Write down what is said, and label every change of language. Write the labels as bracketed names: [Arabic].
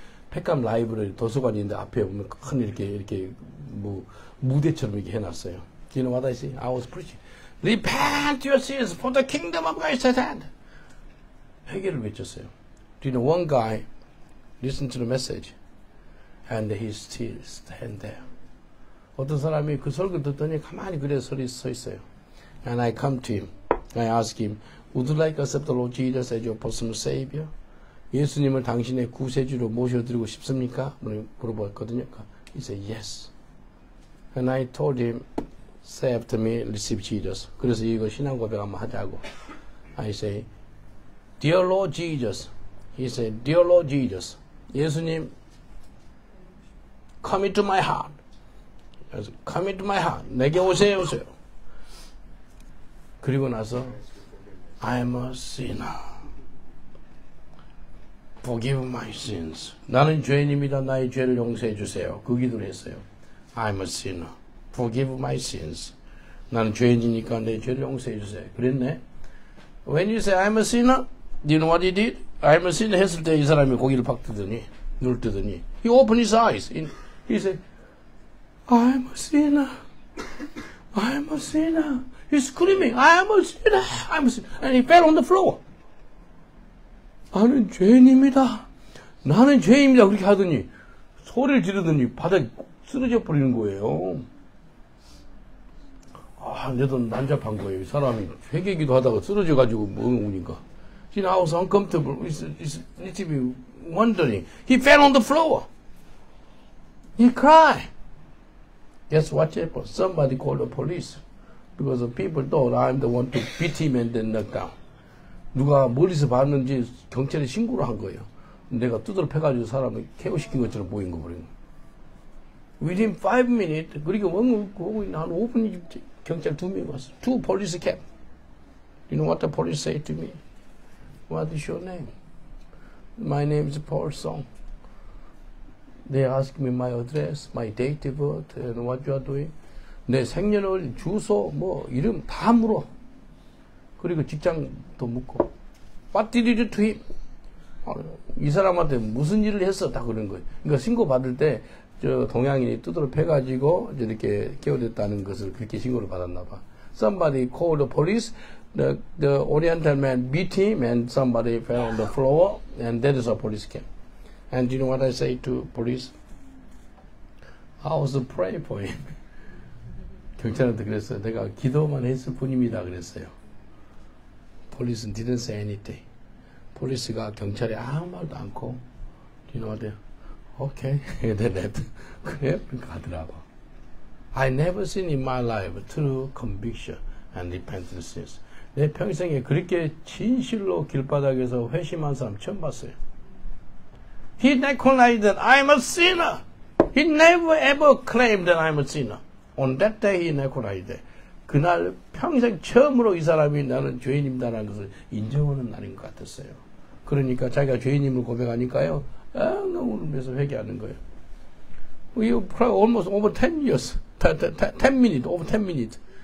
[Korean] 페캄 라이브러리 도서관인데 앞에 보면 큰 이렇게 뭐 무대처럼 이렇게 해놨어요. [English] Do you know what I see? I was preaching. Repent your sins for the kingdom of God is at hand. [Korean] 회개를 외쳤어요. [English] Do you know one guy listened to the message and he still stand there. [Korean] 어떤 사람이 그 설교 듣더니 가만히 그래 서 있어요. [English] And I come to him. I ask him, would you like to accept the Lord Jesus as your personal savior? [Korean] 예수님을 당신의 구세주로 모셔드리고 싶습니까? 물어봤거든요. [English] He said, yes. And I told him, say after me, receive Jesus. [Korean] 그래서 이거 신앙 고백 한번 하자고. [English] I say, Dear Lord Jesus. He said, Dear Lord Jesus. 예수님, come into my heart. Come into my heart. [Korean] 내게 오세요, 오세요. 그리고 나서, [English] I am a sinner. Forgive my sins. [Korean] 나는 죄인입니다. 나의 죄를 용서해 주세요. 그 기도를 했어요. [English] I'm a sinner. Forgive my sins. [Korean] 나는 죄인이니까 내 죄를 용서해 주세요. 그랬네. [English] When you say I'm a sinner, do you know what he did? I'm a sinner [Korean] 했을 때 이 사람이 고개를 팍 뜨더니, 눈을 뜨더니, [English] he opened his eyes. He said, I'm a sinner. I'm a sinner. He's screaming, I'm a sinner. I'm a sinner. And he fell on the floor. [Korean] 나는 죄인입니다. 나는 죄인입니다. 그렇게 하더니 소리를 지르더니 바닥에 쓰러져 버리는 거예요. 아, 내도 난잡한 거예요. 사람이 회개기도 하다가 쓰러져가지고 뭐니까. [English] I was uncomfortable. It's to be wondering. He fell on the floor. He cried. Guess what happened? Somebody called the police. Because the people thought I'm the one to beat him and then knock down. [Korean] 누가 멀리서 봤는지 경찰에 신고를 한 거예요. 내가 두드려 패가지고 사람을 케어시킨 것처럼 보인 거 버린 거. [English] Within 5 minutes, [Korean] 그리고 원고인 한 5분이 경찰 두 명이 왔어. [English] Two police came. You know what the police say to me? What is your name? My name is Paul Song. They ask me my address, my date of birth, and what you are doing. [Korean] 내 생년월일, 주소, 뭐, 이름 다 물어. 그리고 직장도 묻고, [English] What did you do to him? [Korean] 이 사람한테 무슨 일을 했어? 다 그런 거예요. 그러니까 신고받을 때, 저 동양인이 두드려 패가지고, 이렇게 깨워졌다는 것을 그렇게 신고를 받았나 봐. [English] Somebody called the police, the oriental man beat him, and somebody fell on the floor, and that is a police came. And do you know what I say to police? I was praying for him. [Korean] 경찰한테 그랬어요. 내가 기도만 했을 뿐입니다. 그랬어요. [English] Police didn't say anything. [Korean] Police가 경찰에 아무 말도 않고, [English] you know what? Okay, then that. [Korean] 그래, 가더라고. [English] I never seen in my life true conviction and repentance. [Korean] 내 평생에 그렇게 진실로 길바닥에서 회심한 사람 처음 봤어요. [English] He recognized that I'm a sinner. He never ever claimed that I'm a sinner. On that day, he recognized that. [Korean] 그날 평생 처음으로 이 사람이 나는 죄인입니다라는 것을 인정하는 날인 것 같았어요. 그러니까 자기가 죄인임을 고백하니까요. 아, 너무 울면서 회개하는 거예요. [English] We cry almost over 10 years. 10 minutes, over 10 minutes.